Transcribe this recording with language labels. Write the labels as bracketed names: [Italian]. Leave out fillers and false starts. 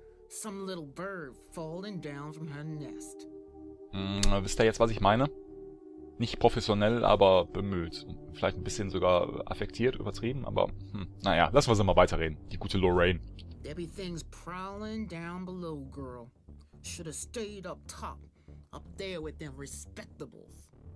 [English] Some little bird falling down from her nest. [German] Wisst ihr jetzt, was ich meine? Nicht professionell, aber bemüht. Vielleicht ein bisschen sogar affektiert, übertrieben, aber naja, lassen wir sie mal weiterreden. Die gute Lorraine. [English] There be things prowling down below, girl. Should have stayed up top, up there with them respectables.